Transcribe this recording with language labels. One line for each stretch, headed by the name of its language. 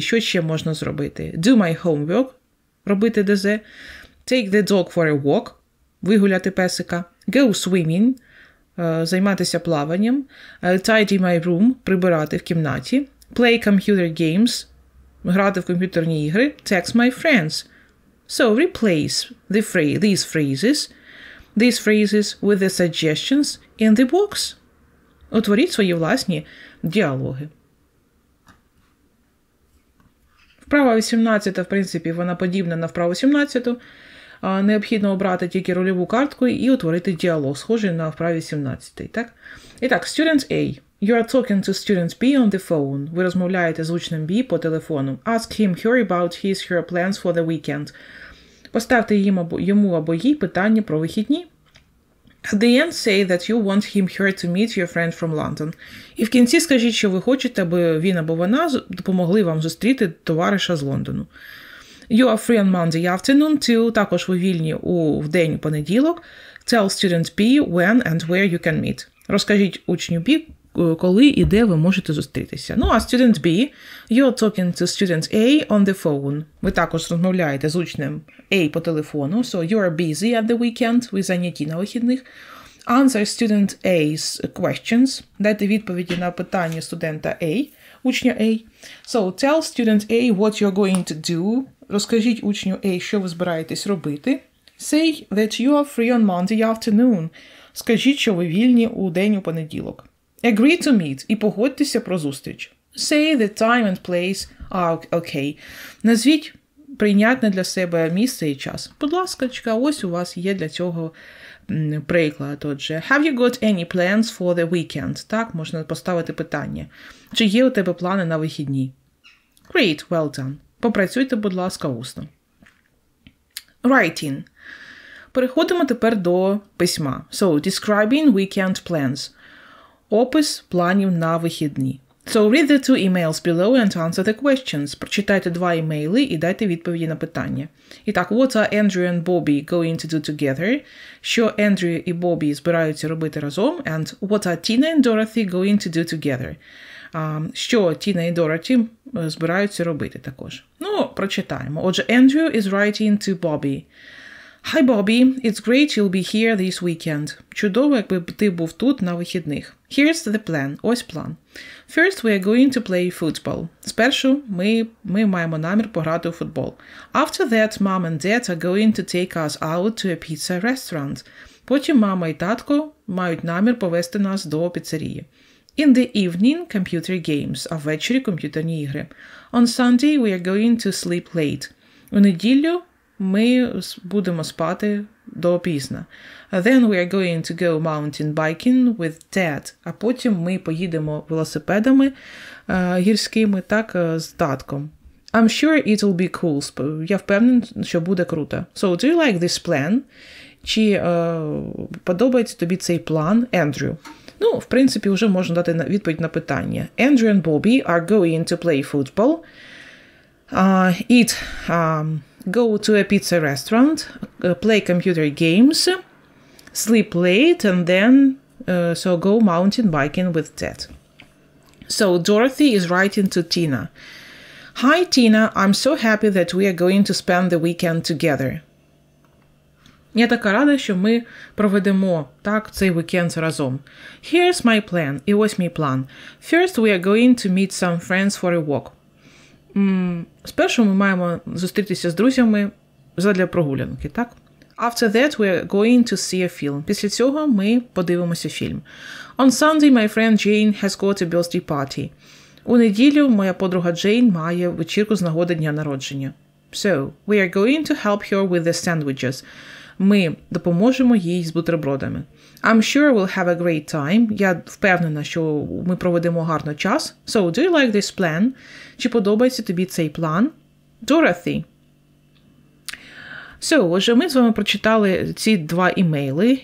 Ukrainian: Що ще можна зробити?
English: Do my homework.
Ukrainian: Робити ДЗ.
English: Take the dog for a walk.
Ukrainian: Вигуляти песика.
English: Go swimming.
Ukrainian: Займатися плаванням.
English: Tidy my room.
Ukrainian: Прибирати в кімнаті.
English: Play computer games.
Ukrainian: Грати в комп'ютерні ігри.
English: Text my friends. So, replace these phrases with the suggestions in the box.
Ukrainian: Утворіть свої власні діалоги. Вправа 18, в принципі, вона подібна на вправу 17. Необхідно обрати тільки рольову картку і утворити діалог, схожий на вправі 17. Так? І так, student A.
English: You are talking to student B on the phone.
Ukrainian: Ви розмовляєте з учнем B по телефону.
English: Ask him her about his her plans for the weekend.
Ukrainian: Поставте йому або їй питання про вихідні.
English: At the end, say that you want him here to meet your friend from London.
Ukrainian: І в кінці скажіть, що ви хочете, аби він або вона допомогли вам зустріти товариша з Лондону.
English: You are free on Monday afternoon too.
Ukrainian: Також ви вільні в день понеділок.
English: Tell student B when and where you can meet.
Ukrainian: Розкажіть учню B, коли і де ви можете зустрітися.
English: Ну, а student B, you're talking to student A on the phone.
Ukrainian: Ви також розмовляєте з учнем A по телефону.
English: So, you're busy at the weekend.
Ukrainian: Ви зайняті на вихідних.
English: Answer student A's questions.
Ukrainian: Дайте відповіді на питання студента A, учня A.
English: So, tell student A what you're going to do.
Ukrainian: Розкажіть учню A, що ви збираєтесь робити.
English: Say that you are free on Monday afternoon.
Ukrainian: Скажіть, що ви вільні у день у понеділок.
English: Agree to meet.
Ukrainian: І погодьтеся про зустріч.
English: Say the time and place are okay.
Ukrainian: Назвіть прийнятне для себе місце і час. Будь ласка, ось у вас є для цього приклад.
English: Отже, have you got any plans for the weekend?
Ukrainian: Так, можна поставити питання. Чи є у тебе плани на вихідні?
English: Great, well done.
Ukrainian: Попрацюйте, будь ласка, усно. Writing. Переходимо тепер до письма.
English: So, describing weekend plans.
Ukrainian: Опис планів на вихідні.
English: So, read the two emails below and answer the questions.
Ukrainian: Прочитайте два емейли і дайте відповіді на питання.
English: І так, what are Andrew and Bobby going to do together?
Ukrainian: Що Andrew і Bobby збираються робити разом?
English: And what are Tina and Dorothy going to do together?
Ukrainian: Що Тіна і Дороті збираються робити також? Ну, прочитаємо. Отже,
English: Andrew is writing to Bobby. Hi, Bobby. It's great you'll be here this weekend.
Ukrainian: Чудово, якби ти був тут на вихідних.
English: Here's the plan.
Ukrainian: Ось план.
English: First, we are going to play football.
Ukrainian: Спершу ми маємо намір пограти у футбол.
English: After that, mom and dad are going to take us out to a pizza restaurant.
Ukrainian: Потім мама і татко мають намір повести нас до піцерії.
English: In the evening, computer games.
Ukrainian: А ввечері комп'ютерні ігри.
English: On Sunday, we are going to sleep late.
Ukrainian: У неділю ми будемо спати до пізна.
English: Then we are going to go mountain biking with dad.
Ukrainian: А потім ми поїдемо велосипедами гірськими, так, з татком.
English: I'm sure it'll be cool.
Ukrainian: Я впевнений, що буде круто.
English: So, do you like this plan?
Ukrainian: Чи подобається тобі цей план, Andrew? Ну, в принципі, вже можна дати відповідь на питання.
English: Andrew and Bobby are going to play football. Go to a pizza restaurant, play computer games, sleep late, and then go mountain biking with Ted. So Dorothy is writing to Tina. Hi Tina, I'm so happy that we are going to spend the weekend together.
Ukrainian: Я така рада, що ми проведемо так цей вікенд разом.
English: Here's my plan.
Ukrainian: І ось мій план.
English: First, we are going to meet some friends for a walk.
Ukrainian: Спершу ми маємо зустрітися з друзями задля прогулянки, так?
English: After that we are going to see a film.
Ukrainian: Після цього ми подивимося фільм.
English: On Sunday my friend Jane has got a birthday party.
Ukrainian: У неділю моя подруга Джейн має вечірку з нагоди дня народження.
English: So, we are going to help her with the sandwiches.
Ukrainian: Ми допоможемо їй з бутербродами.
English: I'm sure we'll have a great time.
Ukrainian: Я впевнена, що ми проведемо гарно час.
English: So, do you like this plan?
Ukrainian: Чи подобається тобі цей план? Dorothy. So, отже, ми з вами прочитали ці два імейли.